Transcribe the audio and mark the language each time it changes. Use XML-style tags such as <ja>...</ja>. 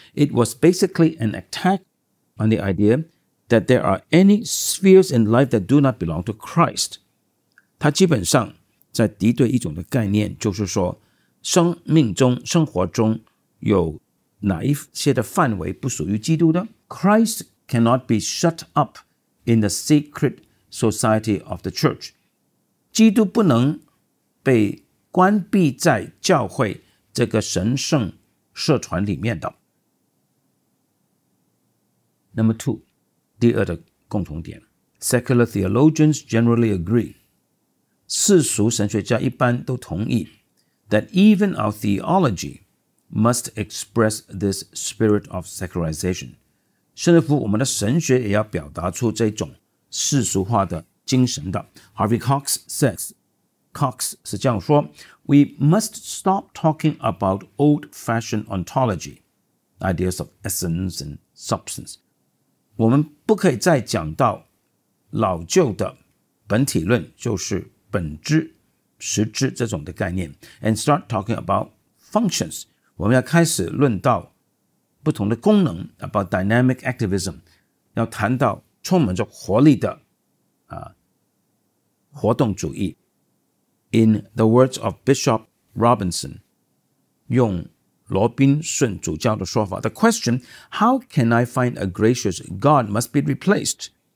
<en>It was basically an attack on the idea that there are any spheres in life that do not belong to Christ.</en> <zh>他基本上在敌对一种的概念，就是说生命中、生活中有哪一些的范围不属于基督的？</zh> <en>Christ cannot be shut up in the secret society of the church.</en> <zh>基督不能被关闭在教会这个神圣社团里面的。</zh> <en>Number two,</en> <zh>第二的共同点。</zh> <en>Secular theologians generally agree.</en> <zh>世俗神学家一般都同意</zh> <en>that even our theology must express this spirit of secularization.</en> <zh>甚至乎我们的神学也要表达出这种世俗化的精神的。</zh> <en>Harvey Cox says,Cox</en> <zh>是这样说</zh> <en>We must stop talking about old-fashioned ontology, ideas of essence and substance.</en> <zh>我们不可以再讲到老旧的本体论，就是本质、实质这种的概念</zh> <en>and start talking about functions.</en> <zh>我们要开始论到不同的功能</zh> <en>about dynamic activism.</en> <zh>要谈到充满着活力的活动主义。</zh> <en>In the words of Bishop Robinson,</en> <zh>用罗宾逊主教的说法</zh> <en>The question, how can I find a gracious God must be replaced?</en>